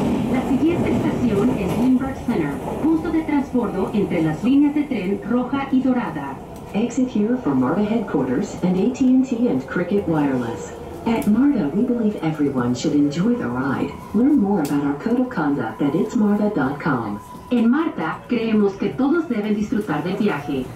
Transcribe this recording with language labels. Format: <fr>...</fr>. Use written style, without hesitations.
<es>La siguiente estación es Lindbergh Center, punto de transbordo entre las líneas de tren roja y dorada.</es> <en>Exit here for MARTA headquarters and AT&T and Cricket Wireless. At MARTA, we believe everyone should enjoy the ride. Learn more about our code of conduct at itsmarta.com.</en> <es>En MARTA, creemos que todos deben disfrutar del viaje.</es>